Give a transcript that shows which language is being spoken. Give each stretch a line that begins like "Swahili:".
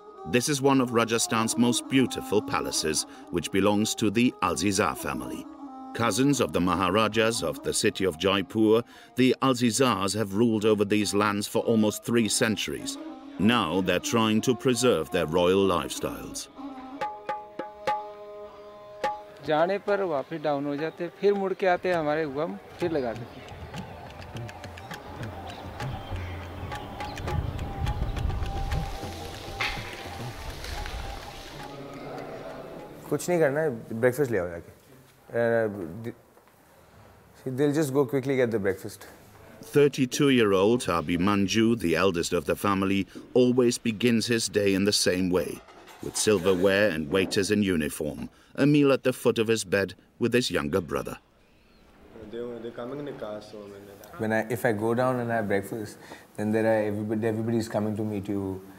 English: This is one of Rajasthan's most beautiful palaces, which belongs to the Alzizar family. Cousins of the Maharajas of the city of Jaipur, the Alzizars have ruled over these lands for almost three centuries. Now they're trying to preserve their royal lifestyles.
Hindi: जाने पर वापस down हो जाते, फिर मुड़ के आते हमारे हुआ, फिर लगा देते। कुछ नहीं करना है, breakfast ले आओ जाके।
English: They'll just go quickly get the breakfast. 32-year-old Abhi Manju, the eldest of the family, always begins his day in the same way, with silverware and waiters in uniform, a meal at the foot of his bed with his younger brother. They're coming in the car, so when if I go down and have breakfast, then everybody's coming to meet you.